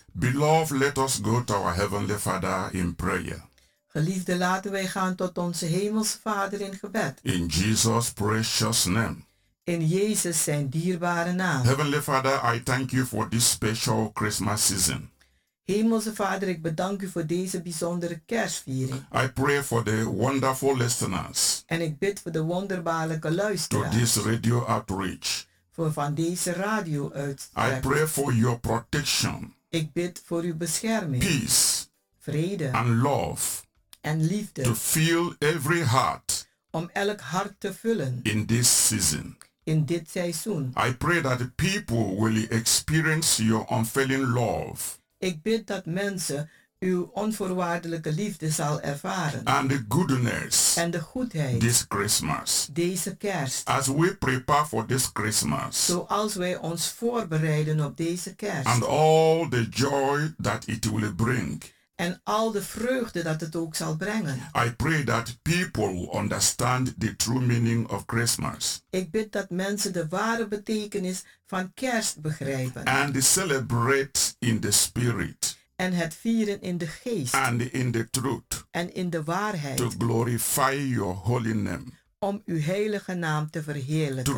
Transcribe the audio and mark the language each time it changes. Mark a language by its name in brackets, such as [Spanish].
[English] Beloved, let us go to our Heavenly Father in prayer. [Dutch] Geliefde, laten wij gaan tot onze Hemelse Vader in gebed. [English] In Jesus' precious name. [Dutch] In Jezus zijn dierbare naam. [English] Heavenly Father, I thank you for this special Christmas season. [Dutch] Hemelse Vader, ik bedank u voor deze bijzondere kerstviering. [English] I pray for the wonderful listeners. [Dutch] En ik bid voor de wonderbaarlijke luisteraars. [English] To this radio outreach. [Dutch] Voor van deze radio uitstrekking. [English] I pray for your protection. [Dutch] Ik bid voor uw bescherming. [English] Peace. [Dutch] Vrede. [English] And love. [Dutch] En liefde. [English] To fill every heart. [Dutch] Om elk hart te vullen. [English] In this season. [Dutch] In dit seizoen. [English] I pray that people will experience your unfailing love. [Dutch] Ik bid dat mensen uw onvoorwaardelijke liefde zal ervaren. [English] And the goodness. [Dutch] En de goedheid. [English] This Christmas. [Dutch] Deze kerst. [English] As we prepare for this Christmas. [Dutch] Zoals wij ons voorbereiden op deze kerst. [English] And all the joy that it will bring. [Dutch] En al de vreugde dat het ook zal brengen. [English] I pray that people understand the true meaning of Christmas. [Dutch] Ik bid dat mensen de ware betekenis van kerst begrijpen. [English] And celebrate in the spirit. [Dutch] En het vieren in de geest. [English] And in the truth. [Dutch] En in de waarheid. [English] To glorify your holy name. [Dutch] Om uw heilige naam te verheerlijken.